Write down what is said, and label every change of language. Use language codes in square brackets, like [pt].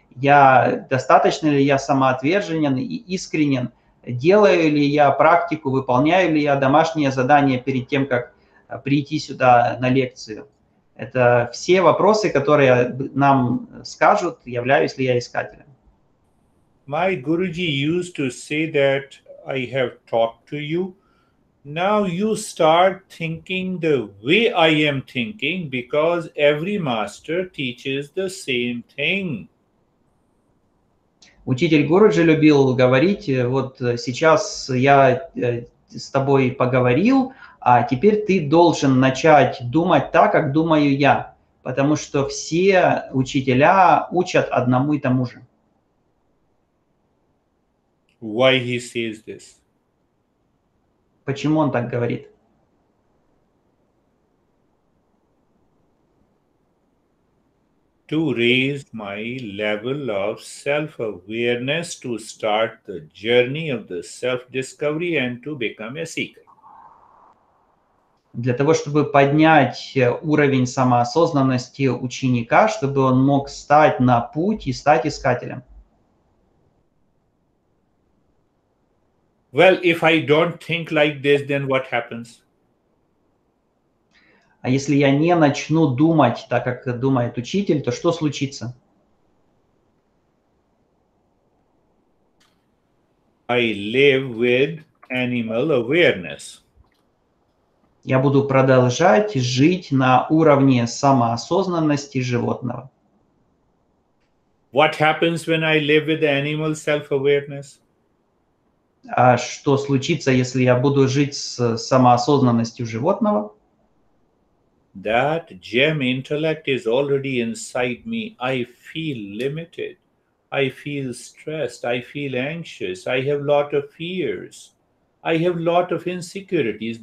[ru] Я достаточно ли я самоотверженен и искренен? Делаю ли я практику, выполняю ли я домашние задания перед тем, как прийти сюда на лекцию? Это все вопросы, которые нам скажут, являюсь ли я искателем. [en] My Guruji used to say that I have talked to you. Now you start thinking the way I am thinking, because every master teaches the same thing. [ru] Учитель Гуруджи любил говорить, вот сейчас я с тобой поговорил, а теперь ты должен начать думать так, как думаю я, потому что все учителя учат одному и тому же. [en] Why he says this? [ru] Почему он так говорит? [en] To raise my level of self-awareness, to start the journey of the self-discovery and to become a seeker. [ru] Для того, чтобы поднять уровень самоосознанности ученика, чтобы он мог стать на путь и стать искателем. [en] Well, if I don't think like this, then what happens? [ru] А если я не начну думать так, как думает учитель, то что случится? [en] I live with animal awareness. [ru] Я буду продолжать жить на уровне самоосознанности животного. [en] What happens when I live with animal self-awareness? [ru] А что случится, если я буду жить с самоосознанностью животного? [en] That gem intellect is already inside me. I feel limited. I feel stressed. I feel anxious. I have a lot of fears. I have a lot of insecurities.